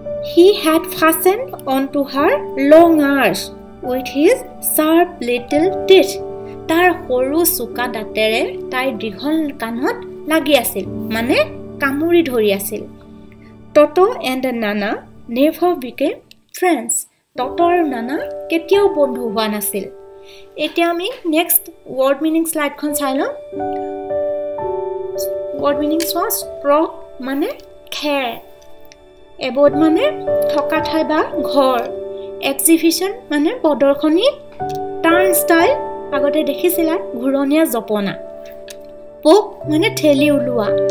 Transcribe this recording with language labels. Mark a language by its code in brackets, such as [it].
[en] he had fastened on to her long arch with his sharp little teeth, [as] তাৰ সৰু চোকা দাঁতেৰে তাইৰ দীঘল কাণত লাগি আছিল, মানে কামুৰি ধৰি আছিল। [en] Toto and Nana never became friends, [as] টটো আৰু নানা কেতিয়াও বন্ধু হোৱা নাছিল। এতিয়া আমি নেক্সট ৱৰ্ড মিনিং শ্লাইডখন চাই লওঁ। ৱৰ্ড মিনিং চোৱা। ষ্ট্ৰক মানে খেৰ, এবৰ্ড মানে থকা ঠাই বা ঘৰ, এক্সিবিশ্যন মানে প্ৰদৰ্শনী, টাৰ্ণ ষ্টাইল আগতে দেখিছিলা ঘূৰণীয়া জপনা, পোক মানে ঠেলি ওলোৱা,